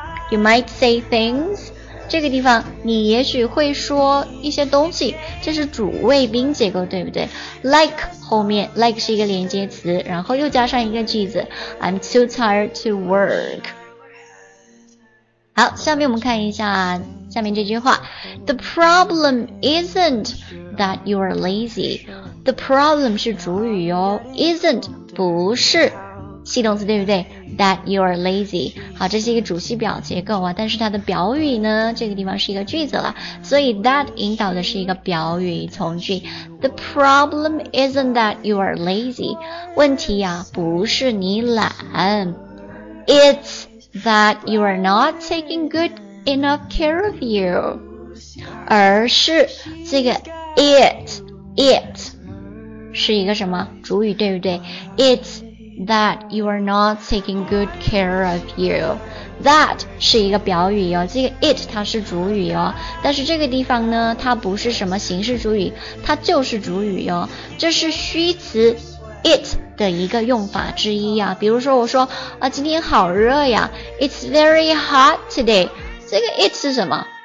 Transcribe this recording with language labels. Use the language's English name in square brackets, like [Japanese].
[English] You might say things， [Chinese] 这个地方你也许会说一些东西，这是主谓宾结构，对不对？ Like 后面 like 是一个连接词，然后又加上一个句子 [English] I'm too tired to work。 [Chinese] 好，下面我们看一下下面这句话。 [English] The problem isn't that you are lazy. [Chinese] The problem 是主语哦， isn't 不是系动词，对不对？ [English] That you are lazy， [Chinese] 好，这是一个主系表结构啊，但是它的表语呢，这个地方是一个句子了，所以 that 引导的是一个表语从句。 [English] The problem isn't that you are lazy， [Chinese] 问题啊不是你懒， [English] It's that you are not taking good enough care of you， [Chinese] 而是这个 it 是一个什么主语，对不对？ [English] It'sThat you are not taking good care of you. [Chinese] That 是一个表语哦，这个 it 它是主语哦，但是这个地方呢，它不是什么形式主语，它就是主语哦。这是虚词 it 的一个用法之一啊。比如说我说啊，今天好热呀， [English] It's very hot today. [Chinese] 这个 it 是什么？